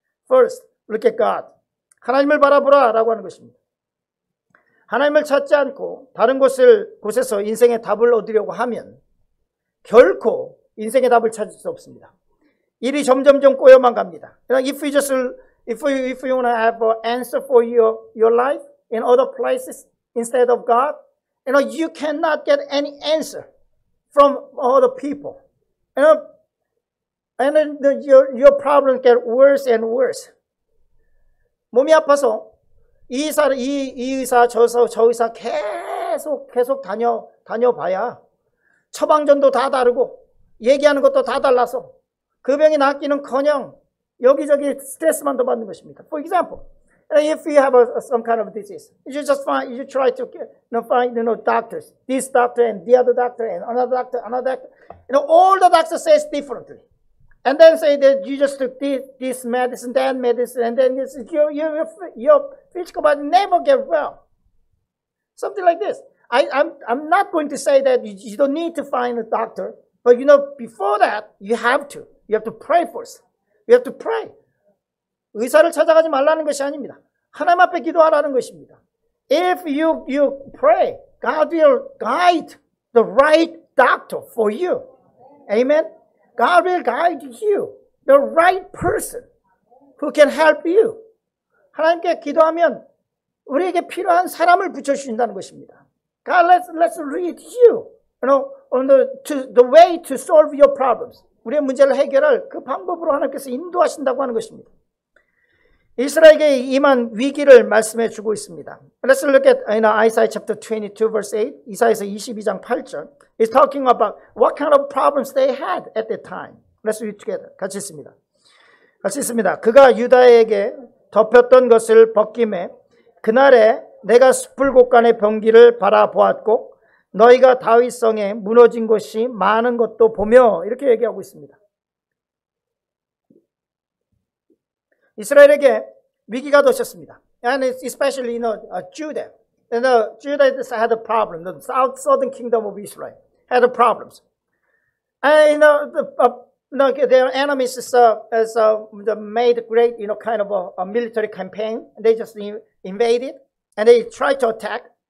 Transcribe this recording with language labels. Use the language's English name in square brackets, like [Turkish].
[English] First, look at God. [Korean] 하나님을 바라보라 라고 하는 것입니다. 하나님을 찾지 않고 다른 곳에서 인생의 답을 얻으려고 하면 결코 인생의 답을 찾을 수 없습니다. 일이 점점 꼬여만 갑니다. [English] If you want to have an answer for your life in other places instead of God, you cannot get any answer from other people. Your problems get worse and worse. [Korean] 몸이 아파서 이 의사 저 의사 계속 다녀봐야 처방전도 다 다르고 얘기하는 것도 다 달라서 그 병이 낫기는커녕 여기저기 스트레스만 더 받는 것입니다. [English] For example, If you have some kind of disease, you just find, you try to find, you know, doctors, this doctor and the other doctor and another doctor, another doctor. You know, all the doctors say differently. And then say that you just took this medicine, that medicine, and then this, your physical body never get well. Something like this. I'm not going to say that you don't need to find a doctor, but you know, before that, you have to. You have to pray first. You have to pray. [Korean] 의사를 찾아가지 말라는 것이 아닙니다. 하나님 앞에 기도하라는 것입니다. [English] If you pray, God will guide the right doctor for you. Amen? God will guide you, the right person who can help you. [Korean] 하나님께 기도하면 우리에게 필요한 사람을 붙여주신다는 것입니다. [English] God, let's lead you, you know, on the way to solve your problems. [Korean] 우리의 문제를 해결할 그 방법으로 하나님께서 인도하신다고 하는 것입니다. 이스라엘에게 임한 위기를 말씀해 주고 있습니다. [English] Let's look at in Isaiah chapter 22 verse 8. [Korean] 이사야서 22장 8절. [English] It's talking about what kind of problems they had at that time. Let's read together. [Korean] 같이 있습니다. 같이 있습니다. 그가 유다에게 덮였던 것을 벗김에 그날에 내가 숲을 곳간의 병기를 바라보았고 너희가 다윗성에 무너진 것이 많은 것도 보며 이렇게 얘기하고 있습니다. 이스라엘에게 위기가 도셨습니다. [English] And especially, you know, Judah. And Judah had a problem. The southern kingdom of Israel had a problems. And, you know, their enemies made great, you know, kind of a military campaign. And they just invaded and they tried to attack.